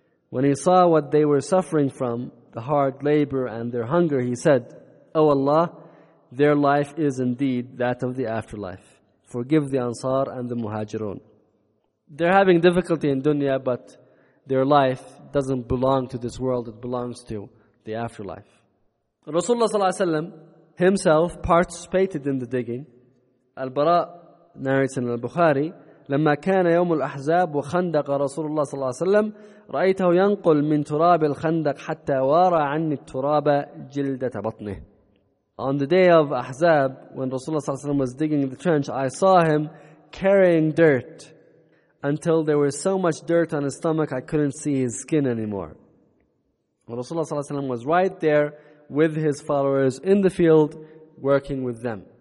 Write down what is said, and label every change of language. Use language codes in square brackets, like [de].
[en] When he saw what they were suffering from, the hard labor and their hunger, he said, O Allah, their life is indeed that of the afterlife. Forgive the Ansar and the Muhajirun. They're having difficulty in dunya, but their life doesn't belong to this world. It belongs to the afterlife. Rasulullah ﷺ himself participated in the digging. [ar] Al-Bara [en] narrates in [ar] Al-Bukhari, لما كان يوم الأحزاب وخندق رسول الله صلى الله عليه وسلم رأيته ينقل من تراب الخندق حتى وارى عني التراب جلدة بطنه. [en] On the day of Ahzab, when Rasulullah صلى الله عليه وسلم was digging the trench, I saw him carrying dirt until there was so much dirt on his stomach I couldn't see his skin anymore. Rasulullah صلى الله عليه وسلم was right there with his followers in the field working with them.